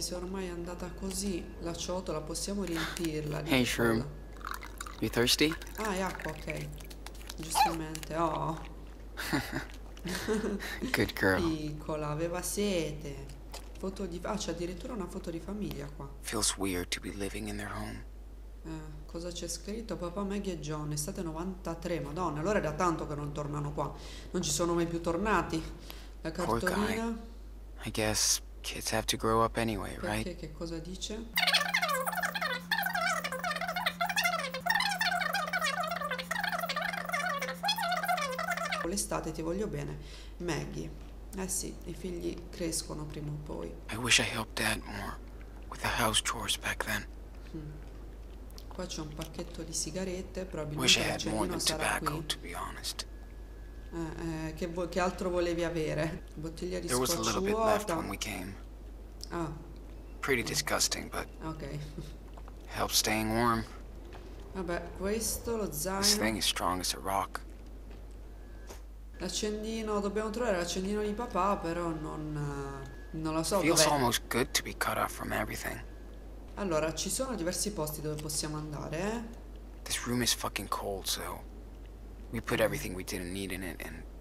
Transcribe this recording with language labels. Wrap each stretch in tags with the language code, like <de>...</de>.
<it>Se ormai è andata così, la ciotola possiamo riempirla.</it> <en>Hey, Shroom. You thirsty?</en> <it>Ah, è acqua, ok. Giustamente, oh.</it> <en>Good girl.</en> <it>Piccola, aveva sete. Foto di... Ah, c'è addirittura una foto di famiglia qua.</it> <en>Feels weird to be living in their home.</en> <it>Cosa c'è scritto? Papà, Maggie e John, estate 93. Madonna, allora è da tanto che non tornano qua. Non ci sono mai più tornati. La cartolina.</it> <en>I guess kids have to grow up anyway,</en> <it>perché,</it> <en>right?</en> <it>Che cosa dice? L'estate ti voglio bene, Maggie. Eh sì, i figli crescono prima o poi.</it> <en>I wish I helped Dad more with the house chores back then.</en> <it>Qua c'è un pacchetto di sigarette, probabilmente il cugino sarà qui.</it> <en>To be honest.</en> <it>Che altro volevi avere? Bottiglia di scotch vuota.</it> <en>There was a little bit left when we came. Ah. Pretty disgusting, but. Okay. Helps staying warm.</en> <it>Vabbè, questo lo zaino.</it> <en>This thing is strong as a rock.</en> <it>L'accendino, dobbiamo trovare l'accendino di papà, però non lo so.</it> <en>It feels almost good to be cut off from everything.</en> <it>Allora, ci sono diversi posti dove possiamo andare, eh?</it> <en>This room is fucking cold, so we put everything we didn't need in it and</en>